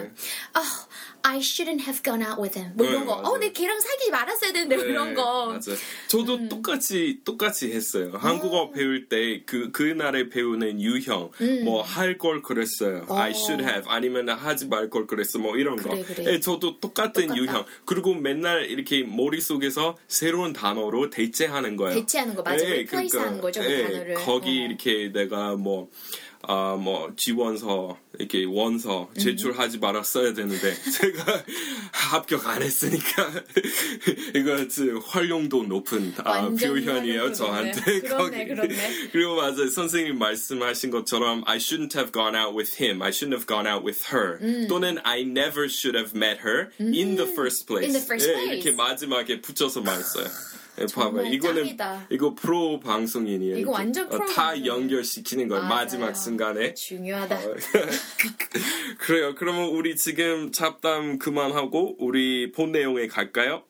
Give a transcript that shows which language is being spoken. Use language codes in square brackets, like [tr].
[en] oh, I shouldn't have gone out with him [ko] 뭐 이런 네, 거 내 걔랑 사귀지 말았어야 되는데 네, 이런 거 맞아요. 저도 똑같이 했어요. 한국어 배울 때 그날에 배우는 유형 뭐 할 걸 그랬어요. [en] I should have [ko] 아니면 하지 말 걸 그랬어 뭐 이런 거 그래, 그래. 네, 저도 똑같은 유형 그리고 맨날 이렇게 머릿속에서 새로운 단어로 대체하는 거예요. 대체하는 거 맞아요. 네, 그러니까 거죠, 예, 그 거기 이렇게 내가 뭐 지원서 이렇게 원서 제출하지 말았어야 되는데 제가 합격 안 했으니까 이거 활용도 높은 표현이에요 저한테. 그렇네, 거기. 그렇네. 그리고 맞아요 선생님 말씀하신 것처럼 [en] I shouldn't have gone out with him, I shouldn't have gone out with her 또는 I never should have met her in the first place. In the first place. [ko] 예, 이렇게 마지막에 붙여서 말했어요. 봐봐 이거는 이거 프로 방송인이에요. 이거 완전 프로 다 연결시키는 거예요. 마지막 순간에 중요하다. 그래요. 그러면 우리 지금 잡담 그만하고 우리 본 내용에 갈까요?